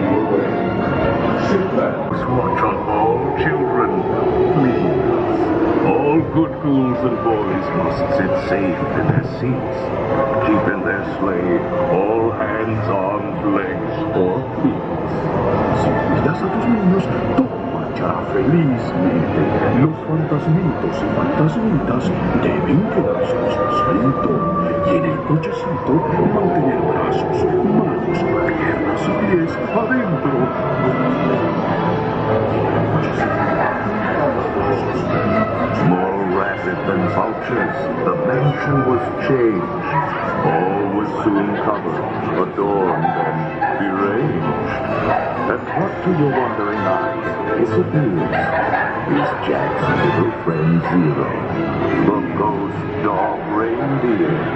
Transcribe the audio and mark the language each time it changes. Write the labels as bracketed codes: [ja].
[en] Watch on all children, please. All good ghouls and boys must sit safe in their seats. Keep in their sleigh all hands, arms, legs, or feet. [es] Si cuidas a tus niños, tú marcharás felizmente. Los fantasmitos y fantasmitas deben quedarse en su asiento. Y en el cochecito mantener brazos, manos, piernas y pies adentro. [en] More rapid than vultures, the mansion was changed. All was soon covered, adorned, and deranged. And what to your wondering eyes disappears is Jack's little friend Zero, the ghost dog reindeer.